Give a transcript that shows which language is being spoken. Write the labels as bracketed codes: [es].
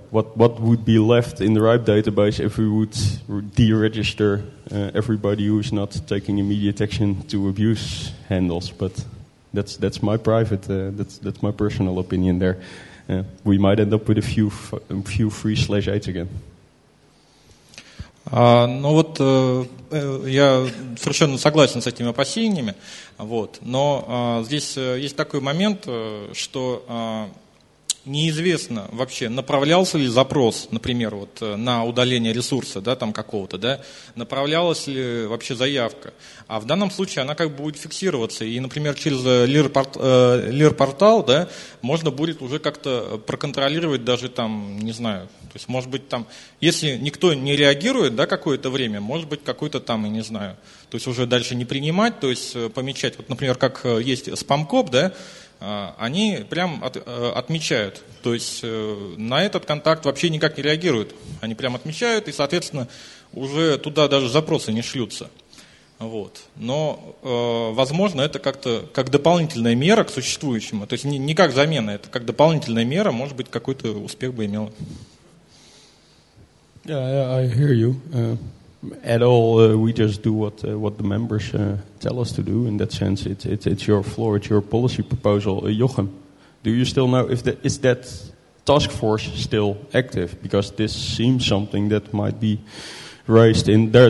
[en] What would be left in the RIPE database if we would deregister everybody who is not taking immediate action to abuse handles? But that's my private that's my personal opinion there. We might end up with a few free /8s again. [ru] Я совершенно согласен с этими опасениями, вот, но здесь есть такой момент, что неизвестно вообще, направлялся ли запрос, например, вот, на удаление ресурса, да, там какого-то, да, направлялась ли вообще заявка. А в данном случае она как бы будет фиксироваться. И, например, через LIR-портал, да, можно будет уже как-то проконтролировать даже там, не знаю, то есть, может быть, там, если никто не реагирует, да, какое-то время, может быть, какой-то там, я не знаю, то есть уже дальше не принимать, то есть помечать, вот, например, как есть SpamCop, да, они прям отмечают, то есть на этот контакт вообще никак не реагируют. Они прям отмечают, и, соответственно, уже туда даже запросы не шлются. Вот. Но, возможно, это как-то как дополнительная мера к существующему, то есть не как замена, это как дополнительная мера, может быть, какой-то успех бы имела. [en] Yeah, I hear you. At all, we just do what the members tell us to do. In that sense, it's your floor, it's your policy proposal. Jochem, do you still know if is that task force still active? Because this seems something that might be raised in there.